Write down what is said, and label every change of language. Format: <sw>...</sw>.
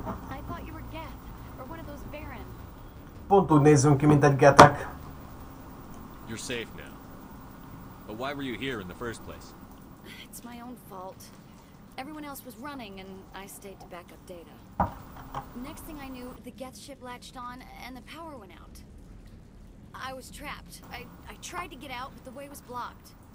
<en>I thought you were Geth, or one of those Baron.</en> <hu>Pont úgy nézünk ki, mint egy getek.</hu> <en>You're safe now. But why were you here in the first place? It's my own fault. Everyone else was running and I stayed to back up data. Next thing I knew, the Geth ship latched on and the power went out. I was trapped. I tried to get out, but the way was blocked.</en>